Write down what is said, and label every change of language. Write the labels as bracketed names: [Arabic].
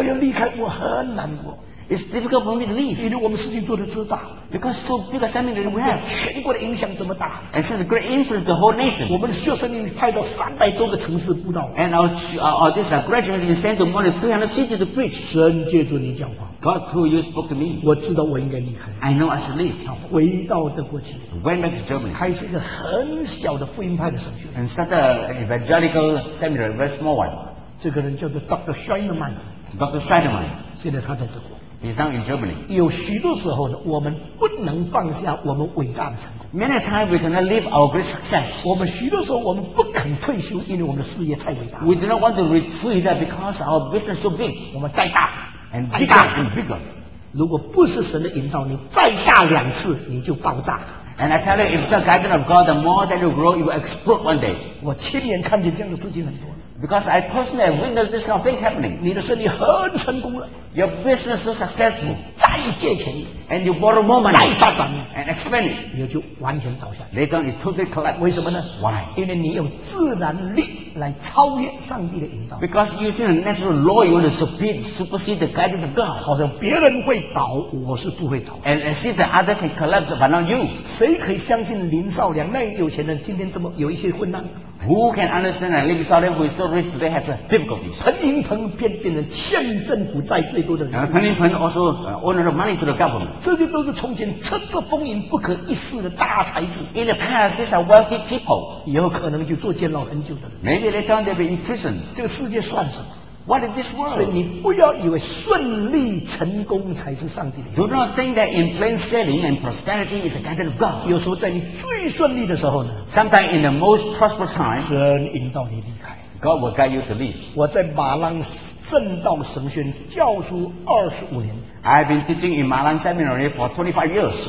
[Chinese] 我要离开，我很难过。 [English] It's difficult for me to leave. [Chinese] 因为我们事情做得这么大 [English] ，because so big a seminary we have， [Chinese] 全国的影响这么大 [English] ，and such a great influence the whole nation. [Chinese] 我们的学生已经派到300多个城市布道 [English] ，and this graduate is sent to more than 300 cities to preach. [Chinese] 神借着你讲话 [English] ，God through you spoke to me. [Chinese] 我知道我应该离开 [English] ，I know I should leave. [Chinese] 他回到德国去 [English] ，went back to Germany. [Chinese] 开始一个很小的福音派的神学 [English] ，and started an evangelical seminary, very small one. [Chinese] 这个人叫做 Dr. Scheinemann. [English] Dr. Scheinemann. [Chinese] 现在他在德国。 [English] He's now in Germany. [Chinese] 有许多时候呢，我们不能放下我们伟大的成功。 [English] Many times we cannot leave our great success. [Chinese] 我们许多时候我们不肯退休，因为我们的事业太伟大。 [English] We do not want to retreat because our business so big. [Chinese] 我们再大 [English] and bigger and bigger. [Chinese] 如果不是神的引导，你再大两次你就爆炸。 [English] And I tell you, if the guidance of God, the more that you grow, you will explode one day. [Chinese] 我亲眼看见这样的事情很多。 [English] Because I personally have witnessed this kind of thing happening. [Chinese] 你的生意很成功了。 [English] Your business is successful. [Chinese] 再借钱。 [English] And you borrow more money. [Chinese] 再发展。 [English] And expand it. [Chinese] 你就完全倒下。 [English] Later it totally collapsed. [Chinese] 为什么呢 [English] ？Why? [Chinese] 因为你用自然力来超越上帝的引导。 [English] Because using a natural law, you want to supersede the guidance of God. [Chinese] 好像别人会倒，我是不会倒。 [English] And as if the other can collapse, but not you. [Chinese] 谁可以相信林少良那有钱人今天这么有一些困难？ [English] Who can understand and live in Saudi who is so rich, they have difficulties. [Chinese] 彭林鹏变变成欠政府债最多的人。 [English] 彭林鹏 also owned the money to the government. [Chinese] 这就都是从前叱咤风云不可一世的大才子。 [English] In the past, these are wealthy people. [Chinese] 以后可能就坐监牢很久的人。 [English] Maybe they turn to be in prison. [Chinese] 这个世界算什么？ [English] What is this world? [Chinese] 所以你不要以为顺利成功才是上帝的。 [English] Do not think that in plain sailing and prosperity is the guidance of God. [Chinese] 有时候在你最顺利的时候呢 [English] ？Sometimes in the most prosperous time, [Chinese] 神引导你离开。 [English] God will guide you to leave. [Chinese] 我在马浪正道神学院教书25年。 [English] I've been teaching in Malang Seminary for 25 years.